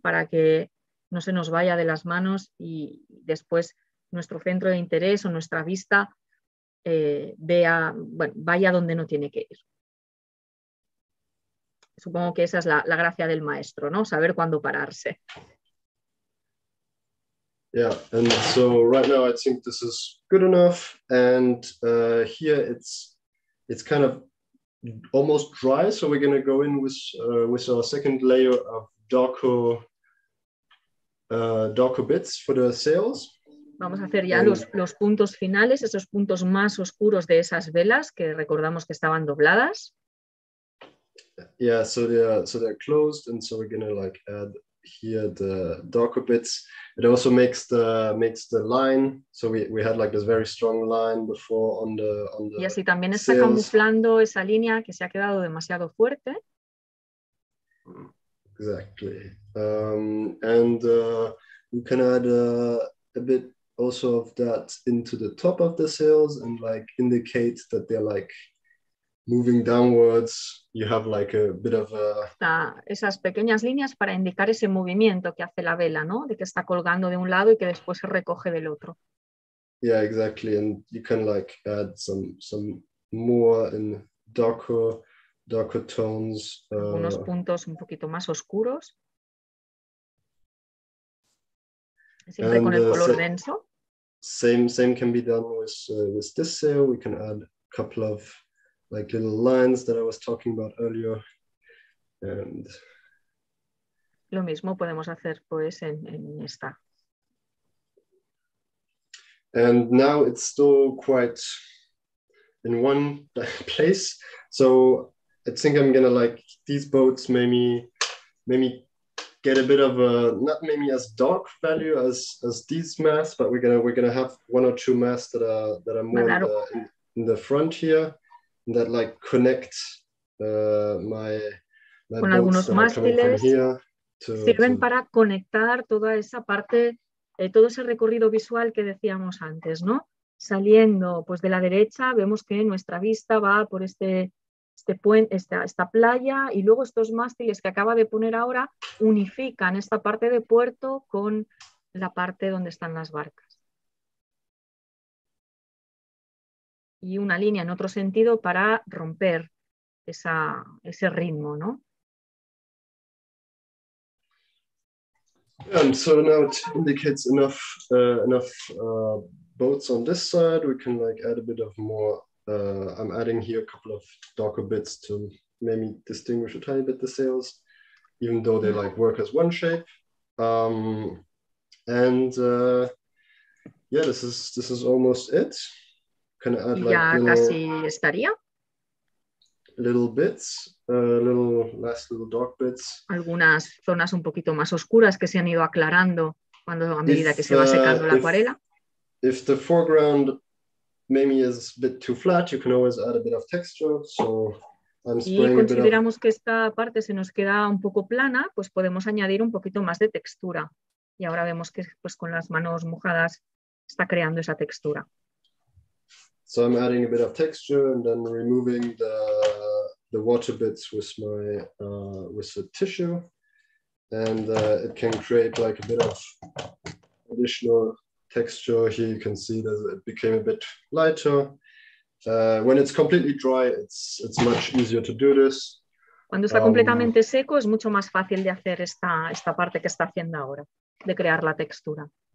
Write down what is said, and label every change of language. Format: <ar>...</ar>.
<es>Para que no se nos vaya de las manos y después nuestro centro de interés o nuestra vista vaya donde no tiene que ir. Supongo que esa es la gracia del maestro, ¿no? Saber cuándo pararse.</es> <en>Yeah, and so right now I think this is good enough. And here it's kind of almost dry, so we're gonna go in with our second layer of darker bits for the sails.</en> <es>Vamos a hacer ya los puntos finales, esos puntos más oscuros de esas velas que recordamos que estaban dobladas.</es> <en>Yeah, so they're closed, and so we're gonna like add here the darker bits. It also makes the line. So we had like this very strong line before on the.</en> <es>Y así también está camuflando esa línea que se ha quedado demasiado fuerte.</es> <en>Exactly, and we can add a bit also of that into the top of the sails and like indicate that they're like moving downwards. You have like a bit of a...</en> <es>Esas pequeñas líneas para indicar ese movimiento que hace la vela, ¿no? De que está colgando de un lado y que después se recoge del otro.</es> <en>Yeah, exactly. And you can like add some more in darker tones.</en> <es>Unos puntos un poquito más oscuros. Siempre con el color denso.</es> <en>Same can be done with this sail. We can add a couple of like little lines that I was talking about earlier. And</en> <es>lo mismo podemos hacer pues en esta.</es> <en>And now it's still quite in one place. So I think I'm gonna like these boats maybe get a bit of a, not maybe as dark value as these masts, but we're gonna have one or two masts that are more in the front here, and that like connect my</en> <es>con algunos mástiles sirven para conectar toda esa parte, todo ese recorrido visual que decíamos antes, ¿no? Saliendo pues de la derecha vemos que nuestra vista va por este puente, esta playa, y luego estos mástiles que acaba de poner ahora unifican esta parte de puerto con la parte donde están las barcas. Y una línea en otro sentido para romper ese ritmo, ¿no?</es> <en>And so now it indicates enough boats on this side. We can like add a bit of more. I'm adding here a couple of darker bits to maybe distinguish a tiny bit the sails, even though they like work as one shape. Yeah, this is almost it. Can I add like little bits, little last little dark bits.</en> <es>Algunas zonas un poquito más oscuras que se han ido aclarando a medida que se va secando la acuarela.</es> <en>If the foreground maybe is a bit too flat, you can always add a bit of texture. So I'm spraying.</en> <es>Y consideramos que esta parte se nos queda un poco plana, pues podemos añadir un poquito más de textura. Y ahora vemos que pues con las manos mojadas está creando esa textura.</es> <en>So I'm adding a bit of texture and then removing the water bits with my with a tissue, and it can create like a bit of additional texture. Here you can see that it became a bit lighter. When it's completely dry, it's much easier to do this.</en> <es>Cuando está completamente seco, es mucho más fácil de hacer esta parte que está haciendo ahora, de crear la textura.</es>